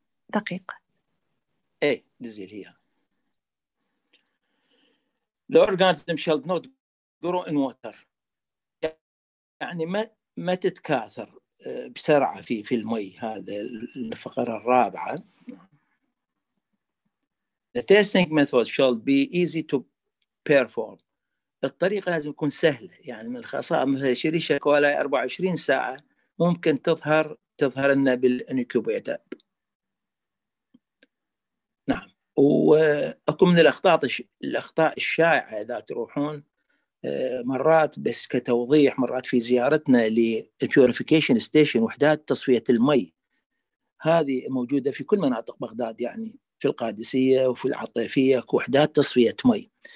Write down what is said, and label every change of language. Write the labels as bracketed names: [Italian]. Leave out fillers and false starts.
[Arabic] دقيقة. [English] اي دزيل هي The organism shall not grow in water. [Arabic] يعني ما تتكاثر بسرعة في المي. هذا الفقرة الرابعة. [English] The testing method shall be easy to perform. [Arabic] الطريقة لازم تكون سهلة يعني من الخصائص مثل شري شكوالا 24 ساعة ممكن تظهر لنا بالانكوبيتر. نعم. واكو من الاخطاء الشائعه اذا تروحون مرات بس كتوضيح مرات في زيارتنا للبيوريفيكيشن ستيشن وحدات تصفيه المي هذه موجوده في كل مناطق بغداد يعني في القادسيه وفي العطيفيه اكو وحدات تصفيه مي.